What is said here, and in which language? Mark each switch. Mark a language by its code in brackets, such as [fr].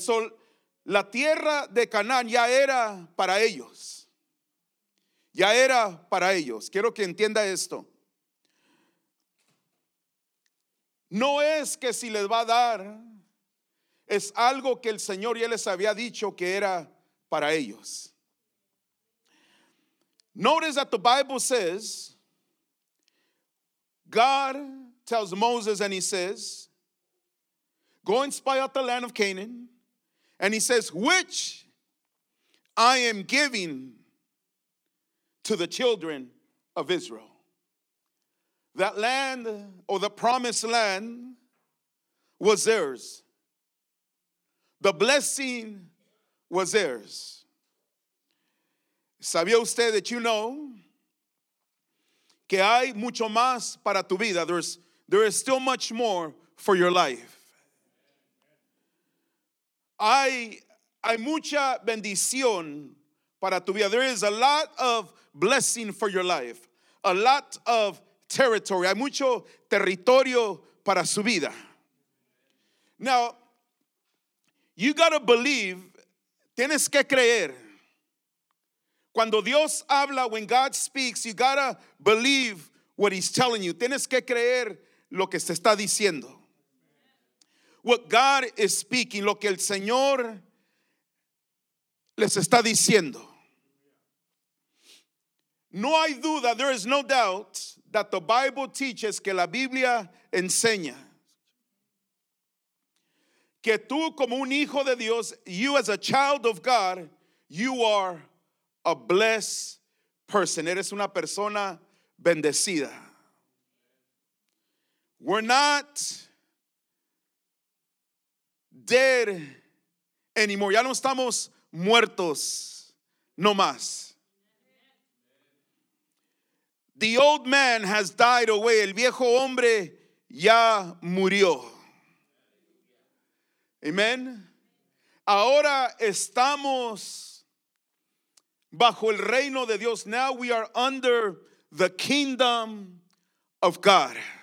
[es] So, la tierra de Canaán ya era para ellos. Ya era para ellos. Quiero que entienda esto. No es que si les va a dar, es algo que el Señor ya les había dicho que era para ellos. [en] Notice that the Bible says, God tells Moses and he says, go and spy out the land of Canaan. And he says, which I am giving to the children of Israel. That land, or the promised land, was theirs. The blessing was theirs. [es] ¿Sabía usted [en] that you know [es] que hay mucho más para tu vida. [en] There is still much more for your life. [es] Hay mucha bendición para tu vida. [en] There is a lot of blessing for your life. A lot of territory. [es] Hay mucho territorio para su vida. [en] Now, you got to believe. [es] Tienes que creer. Cuando Dios habla, [en] when God speaks, you got to believe what he's telling you. [es] Tienes que creer lo que se está diciendo. [en] What God is speaking, [es] lo que el Señor les está diciendo. No hay duda, [en] there is no doubt that the Bible teaches, [es] que la Biblia enseña, que tú como un hijo de Dios, [en] you as a child of God, you are a blessed person. [es] Eres una persona bendecida. [en] We're not dead anymore. [es] Ya no estamos muertos, no más. [en] The old man has died away. [es] El viejo hombre ya murió. [en] Amen. [es] Ahora estamos bajo el reino de Dios. [en] Now we are under the kingdom of God.